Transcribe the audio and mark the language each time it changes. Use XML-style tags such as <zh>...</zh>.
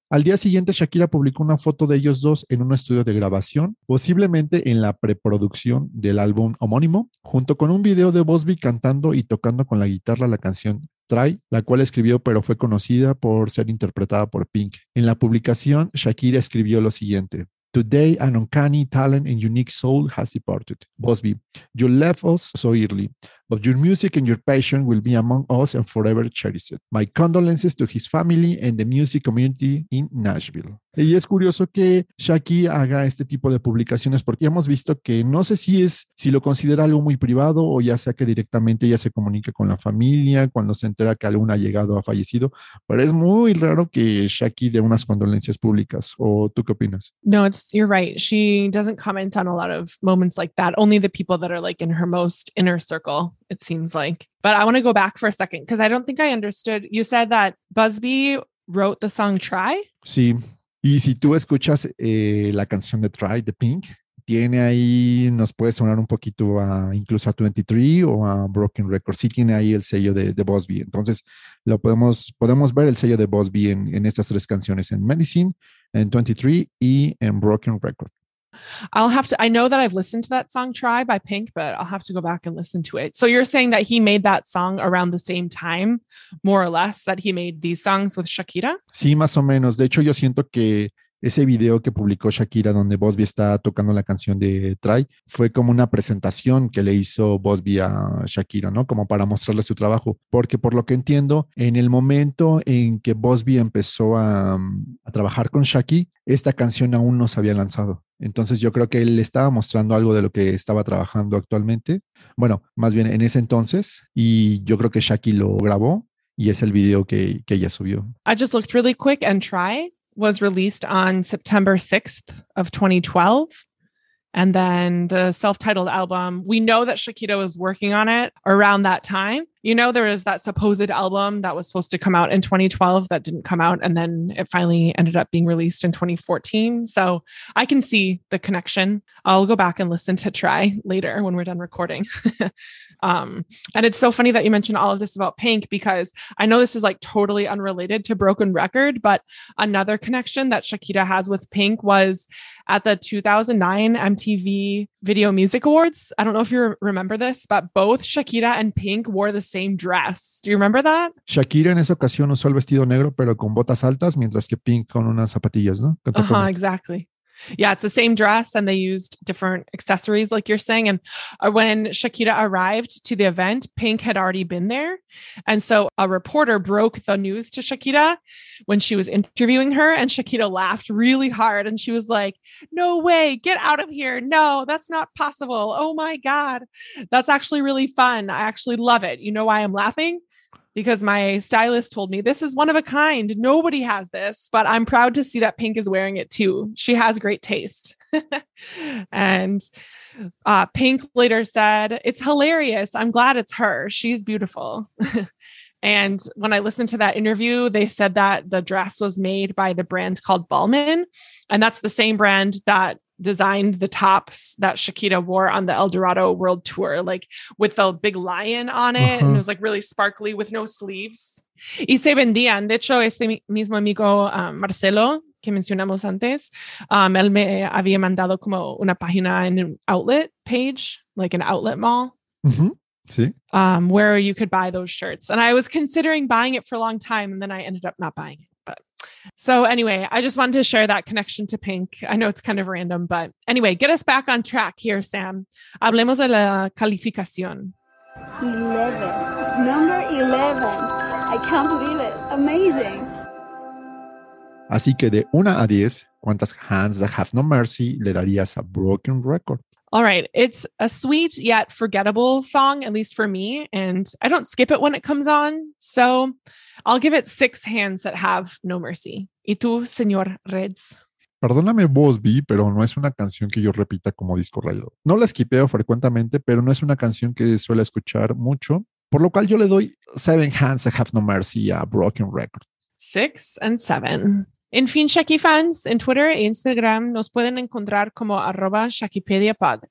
<es>Al día siguiente, Shakira publicó una foto de ellos dos en un estudio de grabación, posiblemente en la preproducción del álbum homónimo, junto con un video de Busby cantando y tocando con la guitarra la canción Try, la cual escribió pero fue conocida por ser interpretada por Pink. En la publicación, Shakira escribió lo siguiente.</es> <en>Today, an uncanny talent and unique soul has departed. Busby, you left us so early, but your music and your passion will be among us and forever cherished. My condolences to his family and the music community in Nashville.</en> <es>Y es curioso que Shaggy haga este tipo de publicaciones porque hemos visto que no sé si lo considera algo muy privado o ya sea que directamente ya se comunica con la familia cuando se entera que algún allegado ha fallecido, pero es muy raro que Shaggy dé unas condolencias públicas. ¿O tú qué opinas?</es> <en>No, you're right. She doesn't comment on a lot of moments like that. Only the people that are like in her most inner circle, it seems like. But I want to go back for a second because I don't think I understood. You said that Busby wrote the song Try?</en> <es>Sí. Y si tú escuchas la canción de Try de Pink, tiene ahí, nos puede sonar un poquito a incluso a 23 o a Broken Records. Sí tiene ahí el sello de Busby. Entonces, lo podemos ver el sello de Busby en estas tres canciones, en Medicine, en 23 y en Broken Record.</es> <en>I know that I've listened to that song Try by Pink, but I'll have to go back and listen to it. So you're saying that he made that song around the same time, more or less, that he made these songs with Shakira?</en> <es>Sí, más o menos. De hecho, yo siento que ese video que publicó Shakira donde Busby está tocando la canción de Try fue como una presentación que le hizo Busby a Shakira, ¿no? Como para mostrarle su trabajo. Porque por lo que entiendo, en el momento en que Busby empezó a trabajar con Shaggy, esta canción aún no se había lanzado. Entonces yo creo que él le estaba mostrando algo de lo que estaba trabajando actualmente. Bueno, más bien en ese entonces. Y yo creo que Shaggy lo grabó y es el video que ella subió.</es> <en>I just looked really quick and Try was released on September 6th of 2012. And then the self-titled album, we know that Shakira was working on it around that time. You know, there is that supposed album that was supposed to come out in 2012 that didn't come out. And then it finally ended up being released in 2014. So I can see the connection. I'll go back and listen to Try later when we're done recording. And it's so funny that you mentioned all of this about Pink, because I know this is like totally unrelated to Broken Record, but another connection that Shakira has with Pink was at the 2009 MTV Video Music Awards. I don't know if you remember this, but both Shakira and Pink wore the same dress. Do you remember that?</en> <es>Shakira en esa ocasión usó el vestido negro, pero con botas altas, mientras que Pink con unas zapatillas, ¿no?</es> <en>Uh-huh, exactly. Yeah, it's the same dress and they used different accessories, like you're saying. And when Shakira arrived to the event, Pink had already been there. And so a reporter broke the news to Shakira when she was interviewing her, and Shakira laughed really hard. And she was like, no way, get out of here. No, that's not possible. Oh my God. That's actually really fun. I actually love it. You know why I'm laughing? Because my stylist told me this is one of a kind. Nobody has this, but I'm proud to see that Pink is wearing it too. She has great taste. And Pink later said, it's hilarious. I'm glad it's her. She's beautiful. And when I listened to that interview, they said that the dress was made by the brand called Balmain. And that's the same brand that designed the tops that Shakira wore on the El Dorado World Tour, like with the big lion on it. Uh-huh. And it was like really sparkly with no sleeves.</en> <es>Y se vendían. De hecho, este mismo amigo Marcelo, que mencionamos antes, él me había mandado como una página en</es> <en>an outlet page, like an outlet mall.</en> <es>Mm-hmm. Sí.</es> <en>Where you could buy those shirts. And I was considering buying it for a long time, and then I ended up not buying it. So anyway, I just wanted to share that connection to Pink. I know it's kind of random, but anyway, get us back on track here, Sam.</en> <es>Hablemos de la calificación.</es> <en>11. Number 11. I can't believe it. Amazing.</en> <es>Así que de 1 a 10, ¿cuántas</es> <en>hands that have no mercy</en> <es>le darías a Broken Record?</es> <en>All right. It's a sweet yet forgettable song, at least for me. And I don't skip it when it comes on. So I'll give it 6 hands that have no mercy.</en> <es>¿Y tú, señor Reds? Perdóname, Bosby, pero no es una canción que yo repita como disco rayado. No la skipeo frecuentemente, pero no es una canción que suele escuchar mucho. Por lo cual yo le doy 7</es> <en>hands that have no mercy</en> <es>a Broken Record.</es> <en>6 and 7.</en> <es>En fin, Shaki fans, en Twitter e Instagram nos pueden encontrar como @ShakipediaPod.</es>